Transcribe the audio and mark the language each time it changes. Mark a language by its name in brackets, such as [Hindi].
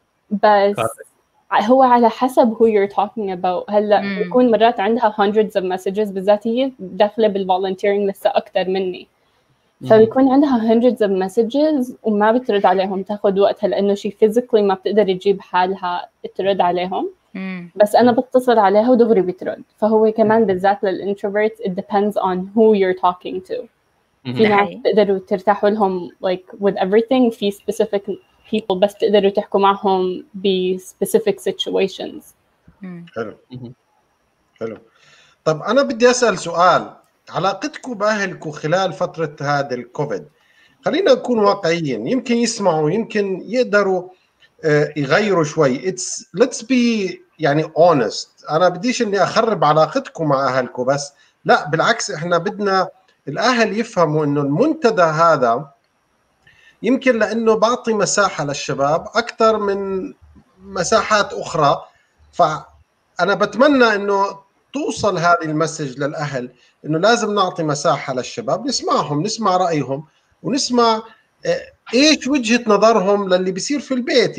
[Arabic] بس هو على حسب who you're talking about. هلا بيكون مرات عندها hundreds of messages، بالذات هي داخلة بالvolunteering لسه أكتر مني، فبيكون عندها hundreds of messages وما بترد عليهم، تاخد وقتها لأنه شي physically ما بتقدر تجيب حالها ترد عليهم. بس أنا بتصل عليها ودغري بترد. فهو كمان بالذات للintroverts it depends on who you're talking to. في ناس بتقدروا ترتاحوا لهم like with everything، في specific people بس تقدروا تحكوا معهم ب specific situations. حلو حلو. طب أنا بدي أسأل سؤال، علاقتكم بأهلكم خلال فترة هذا الكوفيد، خلينا نكون واقعيين، يمكن يسمعوا يمكن يقدروا يغيروا شوي. [English] It's let's be يعني honest. [Arabic] أنا بديش إني أخرب علاقتكم مع أهلكم، بس لا بالعكس، إحنا بدنا الأهل يفهموا إنه المنتدى هذا يمكن لأنه بعطي مساحة للشباب أكثر من مساحات أخرى. فأنا بتمنى إنه توصل هذه المسج للأهل إنه لازم نعطي مساحة للشباب نسمعهم، نسمع رأيهم ونسمع إيش وجهة نظرهم للي بيصير في البيت.